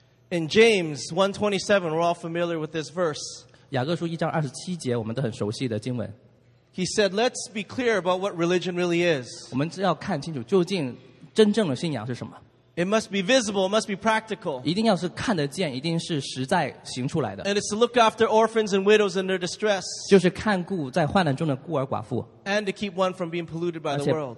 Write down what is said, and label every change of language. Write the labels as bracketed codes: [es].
[en] In James 1:27, we're all familiar with this verse. [zh] 雅各书1章27节,我们都很熟悉的经文。 [en] He said, let's be clear about what religion really is. [zh] 我们要看清楚究竟真正的信仰是什么。 [en] It must be visible, it must be practical. [zh] 一定要是看得见,一定是实在行出来的。 [en] And it's to look after orphans and widows in their distress. [zh] 就是看顾在患难中的孤儿寡妇。 [en] And to keep one from being polluted by the world.